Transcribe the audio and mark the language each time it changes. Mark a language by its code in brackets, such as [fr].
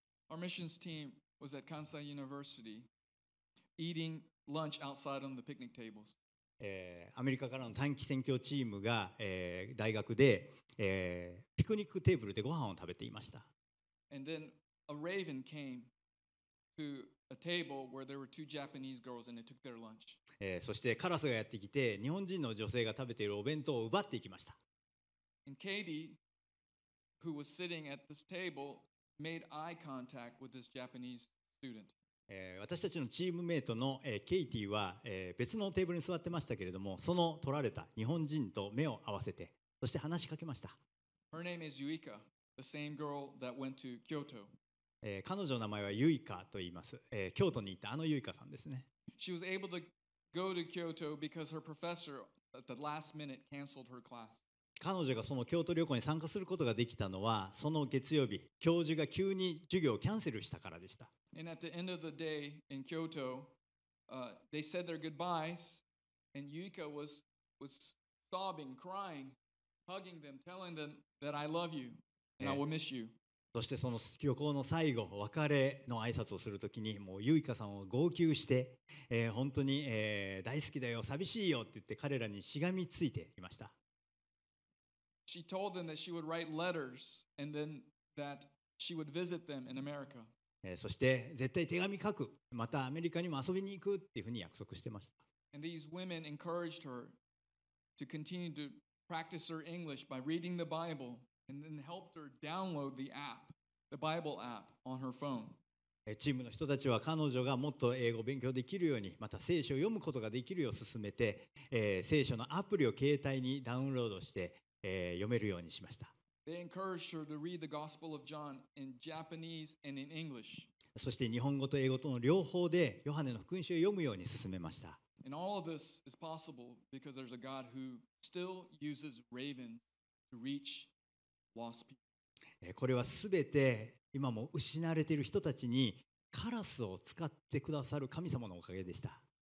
[en] Our missions team was at Kansai University eating lunch outside on the picnic tables. [ja] アメリカからの短期宣教チームが、大学で、ピクニックテーブルでご飯を食べていました。 [en] And then a raven came to a table where there were two Japanese girls and they took their lunch. [ja] そしてカラスがやってきて、日本人の女性が食べているお弁当を奪っていきました。 [en] And Katie, who was sitting at this table, made eye contact with this Japanese student. [ja] 私たちのチームメイトの、ケイティは、別のテーブルに座ってましたけれども、その取られた日本人と目を合わせて、そして話しかけました。 [en] Her name is Yuika, the same girl that went to Kyoto. [ja] 彼女の名前はユイカと言います。京都に行ったあのユイカさんですね。 [en] She was able to go to Kyoto because her professor at the last minute canceled her class. [ja] 彼女がその京都旅行に参加することができたのはその月曜日、教授が急に授業をキャンセルしたからでした。 [en] And at the end of the day in Kyoto, they said their goodbyes, and Yuika was sobbing, crying, hugging them, telling them that I love you and I will miss you. [ja] そしてその旅行の最後、別れの挨拶をするときに、もうユイカさんを号泣して、本当に、大好きだよ、寂しいよって言って彼らにしがみついていました。 [en] She told them that she would write letters and then that she would visit them in America. [ja] そして絶対手紙書く、またアメリカにも遊びに行くっていうふうに約束してました。 [en] And these women encouraged her to continue to practice her English by reading the Bible. And then helped her download the app, the Bible app on her phone. [ja] チームの人たちは彼女がもっと英語を勉強できるように、また聖書を読むことができるよう進めて、聖書のアプリを携帯にダウンロードして、読めるようにしました。 [en] They encouraged her to read the Gospel of John in Japanese and in English. [ja] そして日本語と英語との両方でヨハネの福音書を読むように進めました。 [en] And all of this is possible because there's a God who still uses ravens to reach. [ja] これはすべて今も失われている人たちにカラスを使ってくださる神様のおかげでした。